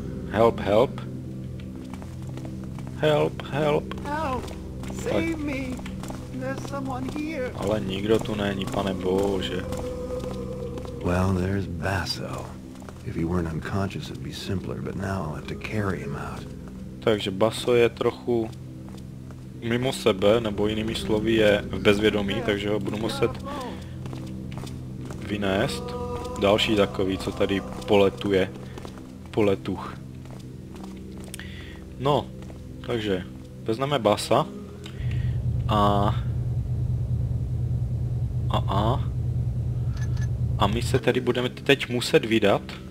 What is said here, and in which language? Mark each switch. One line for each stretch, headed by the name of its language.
English: Help, help. Help, help. Help, save me. There's someone here.
Czech: Ale nikdo tu není, pane bože.
English: Well, there's Basso. If he weren't unconscious, it'd be simpler, but now I'll have to carry him out.
Czech: Takže Basso je trochu mimo sebe, nebo jinými slovy je v bezvědomí, takže ho budu muset vynést. Další takový, co tady poletuje po letuch. No, takže vezmeme Bassa a my se tady budeme teď muset vydat.